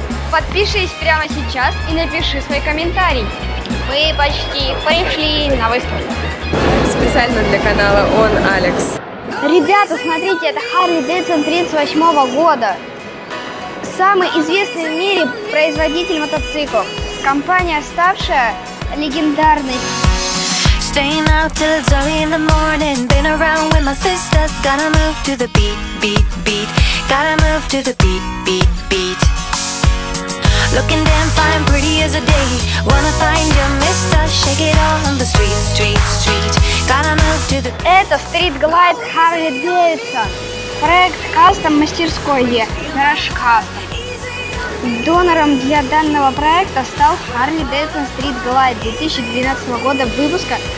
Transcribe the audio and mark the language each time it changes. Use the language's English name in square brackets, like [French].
[Russian] Подпишись прямо сейчас и напиши свой комментарий. Мы почти пришли на выставку. Специально для канала Он Алекс. Ребята, смотрите, это Harley Davidson 38 года. Самый известный в мире производитель мотоциклов. Компания, ставшая легендарной. [English] Staying out till it's early in the morning. Been around with my sisters. Gotta move to the beat, beat, beat. Gotta move to the beat, beat, beat. Looking damn fine, pretty as a day. Wanna find your mister. Shake it all on the street, street, street. Gotta move to the... [Russian] Это Street Glide Harley Davidson. Проект кастом мастерской Crash Custom. Донором для данного проекта стал Harley Davidson Street Glide 2012 года выпуска.